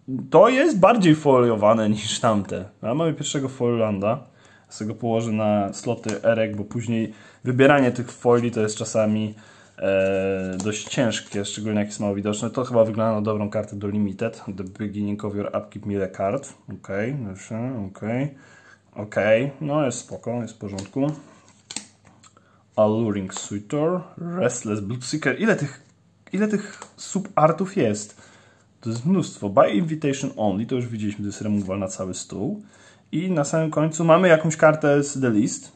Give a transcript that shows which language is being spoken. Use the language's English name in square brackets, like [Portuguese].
[Polish] to jest bardziej foliowane niż tamte. Mamy pierwszego folilanda. Z tego położę na sloty R-ek, bo później wybieranie tych folii to jest czasami dość ciężkie, szczególnie jak jest mało widoczne. To chyba wygląda na dobrą kartę do Limited. [English] The beginning of your upkeep mile card. Okej, okay, okej. Okay. [Polish] No jest spoko, jest w porządku. Alluring Suitor, Restless Bloodseeker. Ile tych subartów jest? To jest mnóstwo. By invitation only, to już widzieliśmy, to jest removal na cały stół. I na samym końcu mamy jakąś kartę z The List.